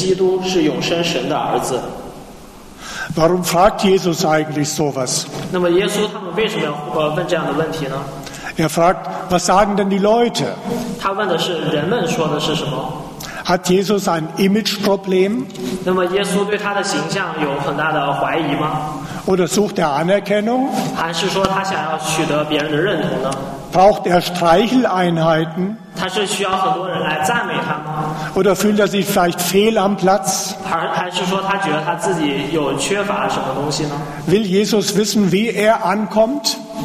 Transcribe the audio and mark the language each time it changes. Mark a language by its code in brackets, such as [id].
[zh] 耶稣到了该撒利亚菲利比的境内，就向门徒说：“人说我人子是谁？”他们说：“有人说是施洗的约翰，有人说是以利亚，有人说是耶利米或者先知里的一位。”耶稣说：“你们说我是谁？”西门彼得回答说：“你是基督，是永生神的儿子。” [de] Warum fragt Jesus eigentlich sowas? [zh] 那么耶稣他们为什么要问这样的问题呢？ [de] Er fragt, was sagen denn die Leute? [zh] 他问的是人们说的是什么？ [de] Hat Jesus ein Imageproblem? [zh] 那么耶稣对他的形象有很大的怀疑吗？ [de] Oder sucht er Anerkennung? [zh] 还是说他想要取得别人的认同呢？ [de] Braucht er Streicheleinheiten? [zh] 他是需要很多人来赞美他吗？ [de] Oder fühlt er sich vielleicht fehl am Platz? [zh] 还是说他觉得他自己有缺乏什么东西呢？ [de] Will Jesus wissen, wie er ankommt?